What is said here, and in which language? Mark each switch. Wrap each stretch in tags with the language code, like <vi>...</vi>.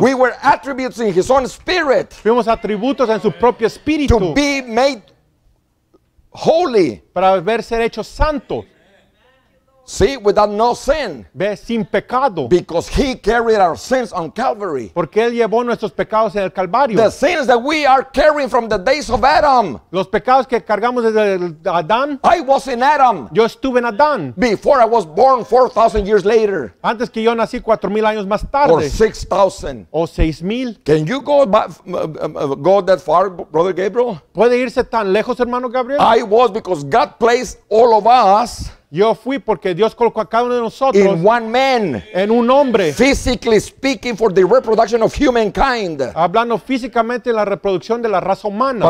<en>We were attributes in his own spirit.</en> <es>Fuimos atributos en su propio espíritu.</es> <en>To be made holy.</en> <es>Para ver ser hecho santo.</es> <en>See, without no sin.</en> <es>Ve, sin pecado.</es> <en>Because he carried our sins on Calvary.</en> <es>Porque él llevó nuestros pecados en el Calvario.</es> <en>The sins that we are carrying from the days of Adam.</en> <es>Los pecados que cargamos desde Adán.</es> <en>I was in Adam.</en> <es>Yo estuve en Adán.</es> <en>Before I was born 4,000 years later.</en> <es>Antes que yo nací 4,000 años más tarde.</es> <en>Or 6,000.</en> <es>O 6,000.</es> <en>Can you go that far, Brother Gabriel?</en> <es>¿Puede irse tan lejos, hermano Gabriel?</es> <en>I was, because God placed all of us.</en> <es>Yo fui porque Dios colocó a cada uno de nosotros</es> <en>in one man,</en> <es>en un hombre,</es> <en>physically speaking, for the reproduction of humankind.</en> <es>Hablando físicamente la reproducción de la raza humana.</es>